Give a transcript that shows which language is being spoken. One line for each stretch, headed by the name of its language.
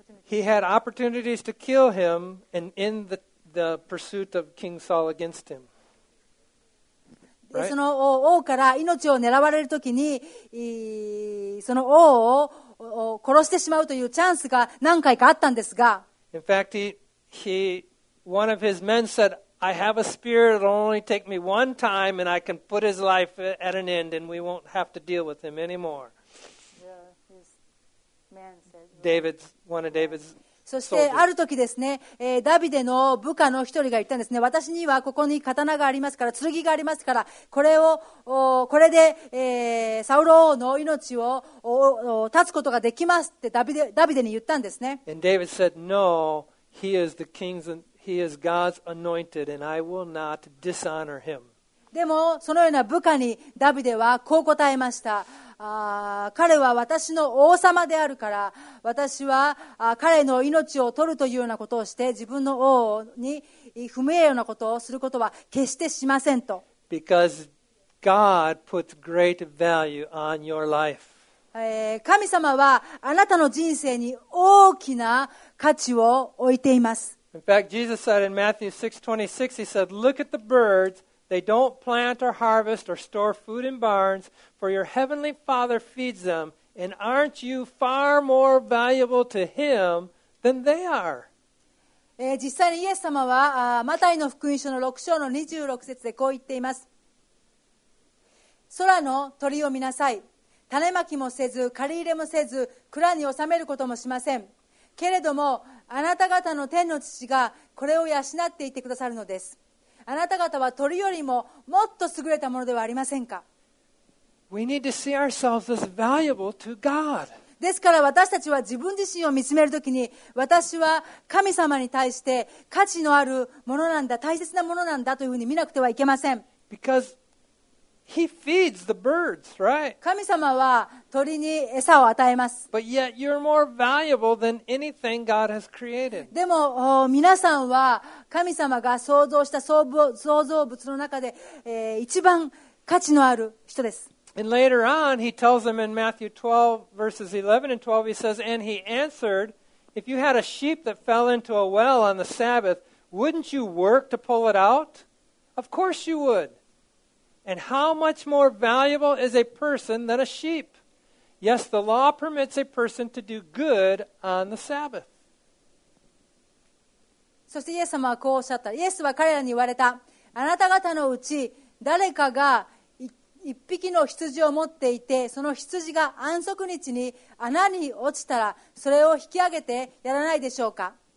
English: He had opportunities to kill him and end the pursuit of King Saul against him.
Japanese: その王から命を狙われるときに、その王を殺してしまうというチャンスが何回かあったんですが、
English: In fact, one of his men said, I have a spear, it'll only take me one time and I can put his life at an end and we won't have to deal with him anymore. Yeah, his man said, David's, one of David's
Japanese: そしてある時ですね、ダビデの部下の一人が言ったんですね、私にはここに刀がありますから、剣がありますから、これをこれで、サウル王の命を絶つことができますってダビデに言ったんですね。
English: And David said, No, he is the king's, he is God's anointed, and I will not dishonor him.
Japanese: でもそのような部下にダビデはこう答えました。彼は私の王様であるから、私は彼の命を取るというようなことをして自分の王に不名誉なことをすることは決してしませんと。
English: Because God puts great value on your life.
Japanese: 神様はあなたの人生に大きな価値を置いています。
English: In fact, Jesus said in Matthew 6:26, He said, Look at the birds. They don't plant or harvest or store food in barns, for your heavenly Father feeds them, and aren't you far more valuable to him than they are?
Japanese: 実際にイエス様はマタイの福音書の6章の26節でこう言っています。空の鳥を見なさい。種まきもせず、刈り入れもせず、蔵に収めることもしません。けれども、あなた方の天の父がこれを養っていてくださるのです。あなた方は鳥よりももっと優れたものではありませんか。
English: We need to see ourselves as valuable to God.
Japanese: ですから私たちは自分自身を見つめるときに、私は神様に対して価値のあるものなんだ、大切なものなんだというふうに見なくてはいけません。
English: Because he feeds the birds, right?
Japanese: 神様は鳥に餌を与えます。
English: But yet you're more valuable than anything God has created.
Japanese: でも皆さんは神様が創造した創造物の中で、一番価値のある人です。
English: And later on, he tells them in Matthew 12, verses 11 and 12, he says, And he answered, If you had a sheep that fell into a well on the Sabbath, wouldn't you work to pull it out? Of course you would. And how much more valuable is a person than a sheep? Yes, the law permits a person to do good on the Sabbath.
Japanese: そしてイエス様はこうおっしゃった。イエスは彼らに言われた。あなた方のうち誰かが一匹の羊を持っていて、その羊が安息日に穴に落ちたら、それを引き上げてやらないでしょうか。